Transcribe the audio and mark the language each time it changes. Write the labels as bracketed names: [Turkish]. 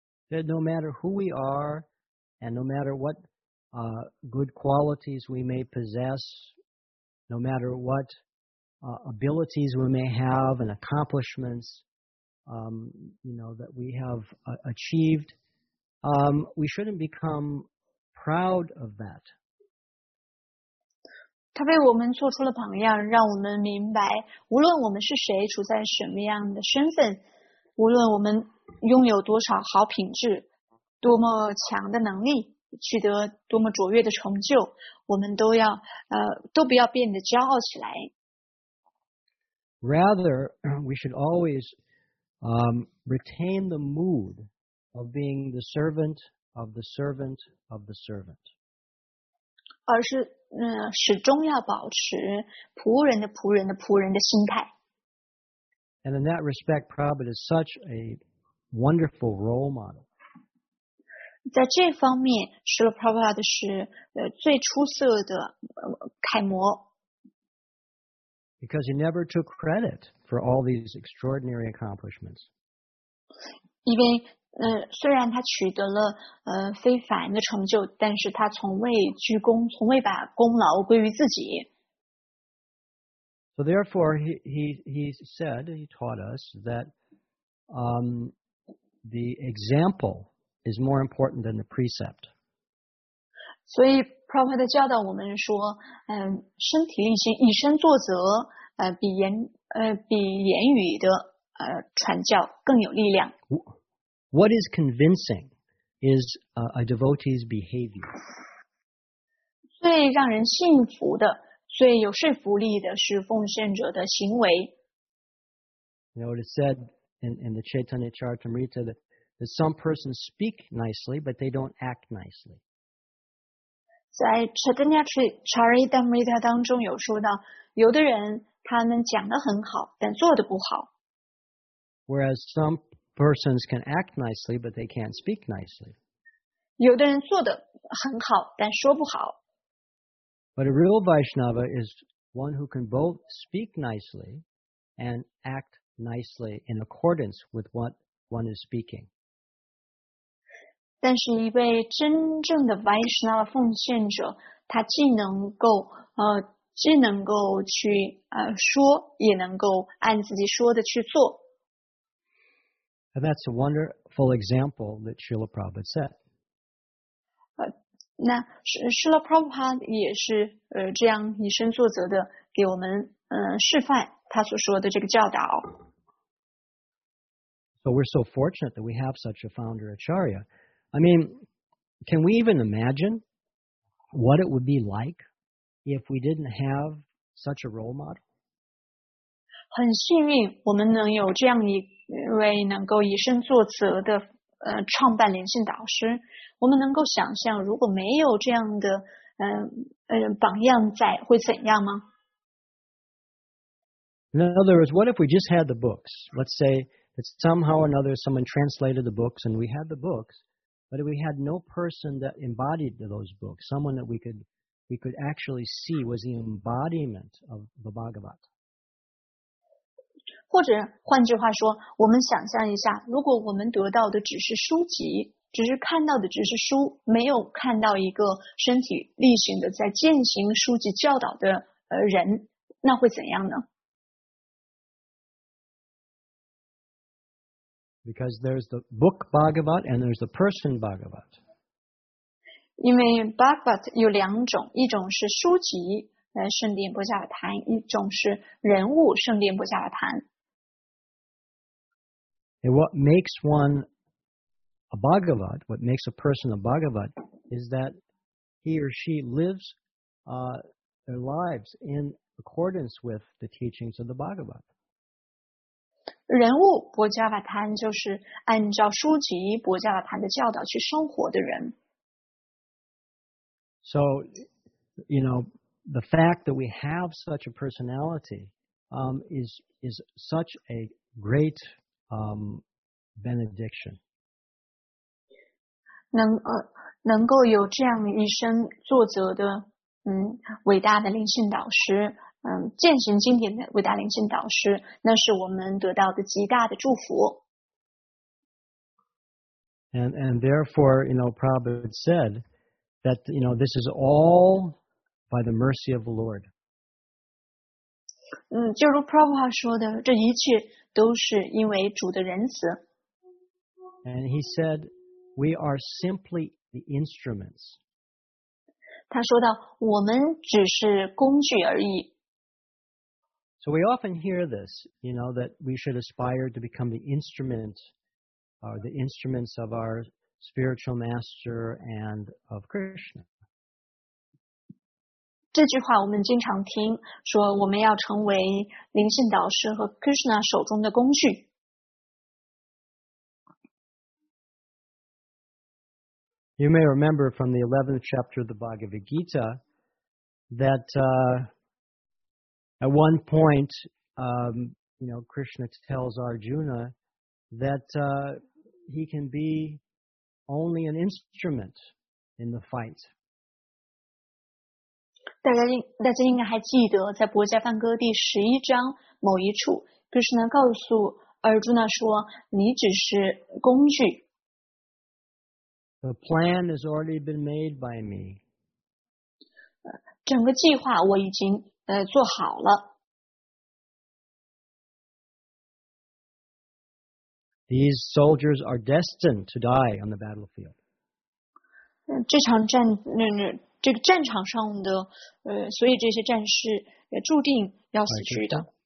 [English] That no matter who we are, and no matter what good qualities we may possess, no matter what abilities we may have and accomplishments, you know, that we have achieved, we shouldn't become proud of that. [Chinese] 他为我们做出了榜样，让我们明白，无论我们是谁，处在什么样的身份，无论我们拥有多少好品质，多么强的能力，取得多么卓越的成就，我们都要都不要变得骄傲起来。 [English] Rather, we should always retain the mood of being the servant of the servant of the servant. [Chinese] 而是始终要保持仆人的仆人的仆人的心态。 [English] And in that respect, Prabhupada is such a wonderful role model. [Chinese] 在这方面，是 Srila Prabhupada 是最出色的楷模。 [English] Because he never took credit for all these extraordinary accomplishments. [Chinese] 因为虽然他取得了非凡的成就，但是他从未居功，从未把功劳归于自己。 [English] So therefore, he said, he taught us that the example is more important than the precept. [Chinese] 所以 Prabhupada 教导我们说，身体力行，以身作则，比言语的传教更有力量。 [English] What is convincing is a devotee's behavior. [Chinese] 最让人信服的。所以有说服力的是奉献者的行为。 [English] You know, it is said in the Chaitanya Charitamrita that some persons speak nicely, but they don't act nicely. [Chinese] 在 Chaitanya Charitamrita 当中有说到，有的人他们讲得很好，但做得不好。 [English] Whereas some persons can act nicely, but they can't speak nicely. [Chinese] 有的人做得很好，但说不好。 [English] But a real Vaishnava is one who can both speak nicely and act nicely in accordance with what one is speaking. [Chinese] 但是一位真正的 Vaishnava 奉献者，他既能够去说，也能够按自己说的去做。 [English] And that's a wonderful example that Srila Prabhupada set. [Chinese] 那 Srila Prabhupada 也是这样以身作则的给我们示范他所说的这个教导。 [English] So we're so fortunate that we have such a founder Acharya. I mean, can we even imagine what it would be like if we didn't have such a role model? [Chinese] 很幸运我们能有这样一位能够以身作则的创办灵性导师，我们能够想象如果没有这样的榜样在会怎样吗？ [English] In other words, what if we just had the books? Let's say that somehow or another someone translated the books and we had the books, but if we had no person that embodied those books, someone that we could actually see was the embodiment of the Bhagavat. [Chinese] 或者换句话说，我们想象一下，如果我们得到的只是书籍，只是看到的只是书，没有看到一个身体力行的在践行书籍教导的人，那会怎样呢？ [English] Because there's the book Bhagavat and there's the person Bhagavat. [Chinese] 因为 Bhagavat 有两种，一种是书籍圣殿波迦谈，一种是人物圣殿波迦谈。 [English] And what makes one a Bhagavat, what makes a person a Bhagavat, is that he or she lives their lives in accordance with the teachings of the Bhagavat. [Chinese] 人物波迦瓦坦就是按照书籍波迦瓦坦的教导去生活的人。 [English] So, you know, the fact that we have such a personality is such a great... benediction. [Chinese] 能够有这样一生作则的伟大的灵性导师践行经典的伟大灵性导师，那是我们得到的极大的祝福。 [English] And therefore, you know, Prabhupada said that, you know, this is all by the mercy of the Lord. [Chinese] 就如 Prabhupada 说的，这一切都是因为主的仁慈。 [English] And he said, we are simply the instruments. [Chinese] 他说到，我们只是工具而已。 [English] So we often hear this, you know, that we should aspire to become the instrument, or the instruments of our spiritual master and of Krishna. [Chinese] 这句话我们经常听，说我们要成为灵性导师和 Krishna 手中的工具。 [English] You may remember from the 11th chapter of the Bhagavad Gita that at one point, you know, Krishna tells Arjuna that he can be only an instrument in the fight. [Chinese] 大家应该还记得，在《波迦梵歌》第十一章某一处，就是呢告诉尔朱娜说：“你只是工具。” [English] The plan has already been made by me. [Chinese] 整个计划我已经做好了。 [English] These soldiers are destined to die on the battlefield. [Chinese] 这场战争。这个战场上的所以这些战士也注定要死去的。